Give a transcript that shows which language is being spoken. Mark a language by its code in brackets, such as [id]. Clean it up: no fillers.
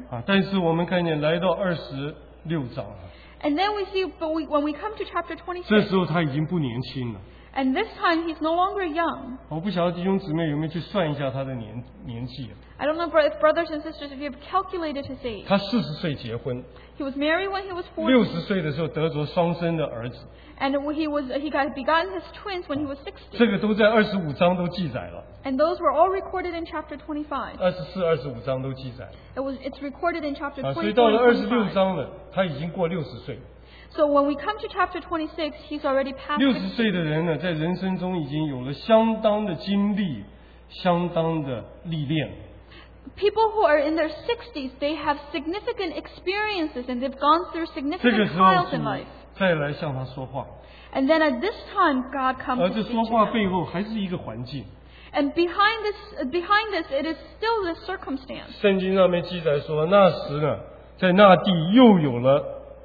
[zh] 啊, 但是我们看见来到26章, [en] and then we see, but when we come to chapter 26, [zh] 这时候他已经不年轻了, [en] and this time he's no longer young. [zh] 我不晓得弟兄姊妹有没有去算一下他的年纪, [en] I don't know if brothers and sisters, if you have calculated his age. [zh] 他40岁结婚, [en] he was married when he was 40. [zh] 60岁的时候得着双生的儿子, [en] and he got begotten his twins when he was 60. [zh] 这个都在25章都记载了, [en] and those were all recorded in chapter 25. [zh] 24、25章都记载, [en] it's recorded in chapter 24. [zh] 所以到了26章了, 他已经过60岁。 [en] So when we come to chapter 26, he's already passed [zh] 60岁的人呢, 在人生中已经有了相当的经历, 相当的历练。 [en] People who are in their 60s, they have significant experiences and they've gone through significant trials in life. [zh] 再来向他说话, [en] and then at this time, God comes to speak to him. [zh] 而这说话背后还是一个环境。 [en] And behind this, it is still the circumstance. [zh] 圣经上面记载说, 那时呢, 在那地又有了